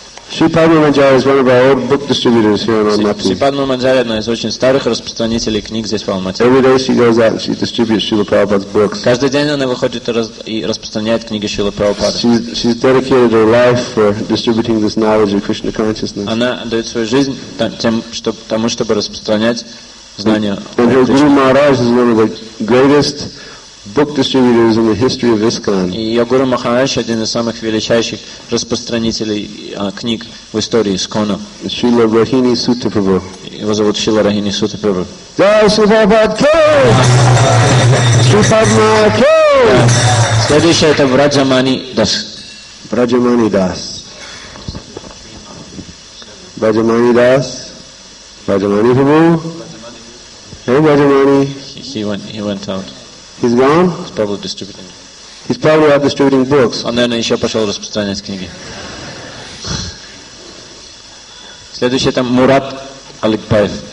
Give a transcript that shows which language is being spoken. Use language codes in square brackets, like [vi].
[en] Сипадма Манджарьяна is one of our old book distributors here in Алматы. [ru] Сипадма Манджарьяна из очень старых распространителей книг здесь в Алматы. [en] Every day she goes out and she distributes Шрила Прабхупада's books. [ru] Каждый день она выходит и распространяет книги Шрила Прабхупады. [en] She's dedicated her life for distributing this knowledge of Krishna consciousness. [ru] Она отдает свою жизнь тому, чтобы распространять знания. [en] And her Guru Maharaj is one of the greatest book distributors in the history of ISKCON. [ru] И Гуру Махарадж один из самых величайших распространителей книг в истории ISKCON. Шрила Рохини Сута Прабху. Его зовут Шрила Рохини Сута Прабху. [hi] Джай Шрила Прабху. Шри Падма Ки. [ru] Следующий это Враджамани Дас. Враджамани Дас. Враджамани Дас. Враджамани Прабху. [en] Hey Враджамани. He went out. He's gone? He's probably distributing. He's probably out distributing books. [ru] Он, наверное, еще пошел распространять книги. Следующий это Мурат Алекпаев.